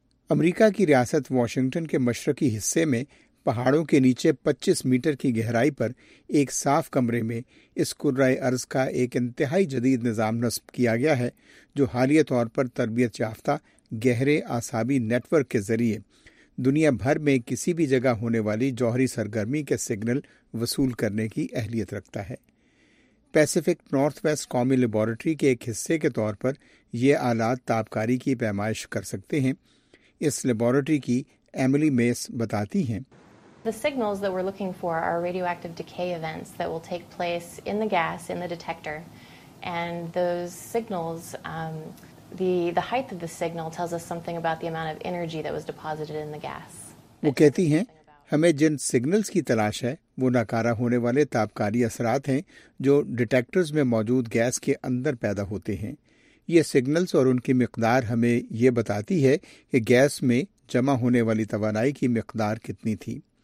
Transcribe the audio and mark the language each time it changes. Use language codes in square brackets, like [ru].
[ur] امریکہ کی ریاست واشنگٹن کے مشرقی حصے میں پہاڑوں کے نیچے 25 میٹر کی گہرائی پر ایک صاف کمرے میں اس کرۂ ارض کا ایک انتہائی جدید نظام نصب کیا گیا ہے، جو حالیہ طور پر تربیت یافتہ گہرے اعصابی نیٹ ورک کے ذریعے دنیا بھر میں کسی بھی جگہ ہونے والی جوہری سرگرمی کے سگنل وصول کرنے کی اہلیت رکھتا ہے۔ پیسیفک نارتھ ویسٹ قومی لیبارٹری کے ایک حصے کے طور پر یہ آلات تابکاری کی پیمائش کر سکتے ہیں. اس لیبورٹری کی ایملی میس بتاتی ہیں. [en] The signals that we're looking for are radioactive decay events that will take place in the gas in the detector, and those signals the height of the signal tells us something about the amount of energy that was deposited in the gas. [ur] وہ کہتی ہیں ہمیں جن signals کی تلاش ہے وہ ناکارہ ہونے والے تابکاری اثرات ہیں جو ڈیٹیکٹرز میں موجود گیس کے اندر پیدا ہوتے ہیں. یہ سگنلز اور ان کی مقدار ہمیں یہ بتاتی ہے کہ گیس میں جمع ہونے والی توانائی کی مقدار کتنی تھی.